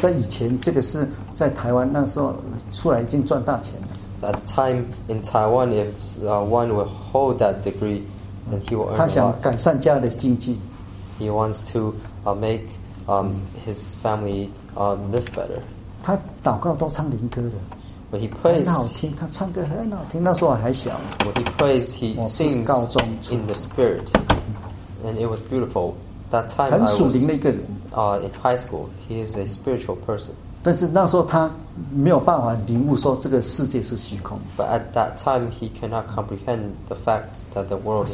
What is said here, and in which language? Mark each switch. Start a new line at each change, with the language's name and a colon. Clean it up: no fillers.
Chinese: 在以前，这个是在台湾那时候出来已经赚大钱了。
English: At the time in Taiwan, if one would hold that degree, then he will earn.
Chinese: 他想改善家的经济。
English: He wants to make his family live better.
Chinese: 他祷告都唱灵歌的。
English: But he prays,
Chinese: 很好听，他唱歌很好听。那时候我还小。
English: When he prays, he sings
Chinese: 高中
English: in the spirit, and it was beautiful. That time,
Chinese: 很属灵的一个人。
English: In high school, he is a spiritual person.
Chinese: 但是那时候他没有办法领悟说这个世界是虚空。
English: But at that time, he cannot comprehend the fact that the world is.